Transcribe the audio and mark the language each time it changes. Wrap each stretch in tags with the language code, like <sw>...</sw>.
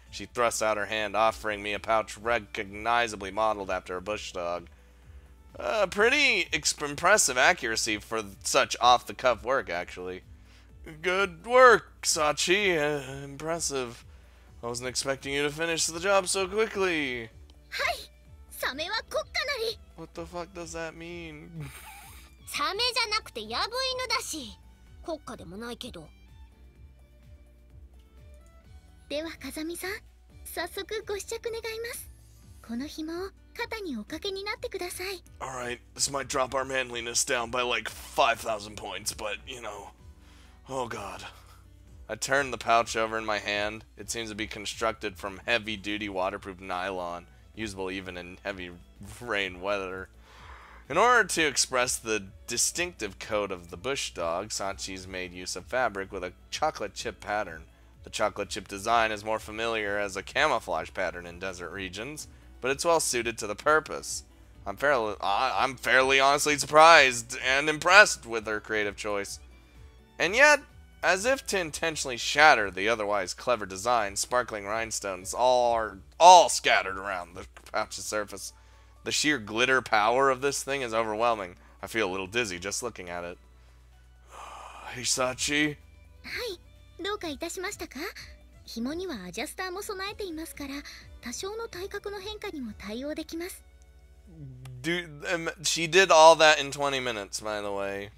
<en>She thrusts out her hand, offering me a pouch recognizably modeled after a bush dog. Pretty impressive accuracy for such off-the-cuff work, actually. Good work, Sachi. Impressive. I wasn't expecting you to finish the job so quickly.</en> <ja>Hi, Same wa kokka nari.</ja> <en>What the fuck does that mean?</en> <ja>サメじゃなくてヤブイヌだし、国家でもないけど。では風見さん、早速ご試着願います。この紐を肩におかけになってください。</ja> <en>All right, this might drop our manliness down by like 5,000 points, but you know, oh god. I turn the pouch over in my hand. It seems to be constructed from heavy-duty waterproof nylon, usable even in heavy rain weather. In order to express the distinctive coat of the bush dog, Sachi's made use of fabric with a chocolate chip pattern. The chocolate chip design is more familiar as a camouflage pattern in desert regions, but it's well suited to the purpose. I'm fairly honestly surprised and impressed with her creative choice. And yet, as if to intentionally shatter the otherwise clever design, sparkling rhinestones are all scattered around the pouch's surface. The sheer glitter power of this thing is overwhelming. I feel a little dizzy just looking at it. Hey, Sachi.</en> <ja>Hi. どうかいたしましたか?紐にはアジャスターも備えていますから、多少の体格の変化にも対応できます。</ja> <en>She did all that in 20 minutes, by the way.</en>